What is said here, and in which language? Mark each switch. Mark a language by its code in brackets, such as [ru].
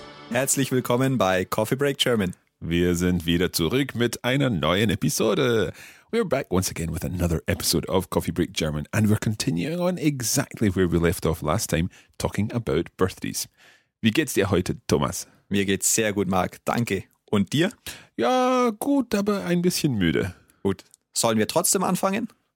[de] Herzlich willkommen bei Coffee Break German. Wir sind wieder zurück mit einer neuen Episode. [en] We're back once again with another episode of Coffee Break German, and we're continuing on exactly where we left off last time, talking about birthdays. [de] Wie geht's dir heute, Thomas? Mir geht's sehr gut, Marc. Danke. Und dir? Ja, gut, aber ein bisschen müde. Gut. Sollen wir trotzdem anfangen?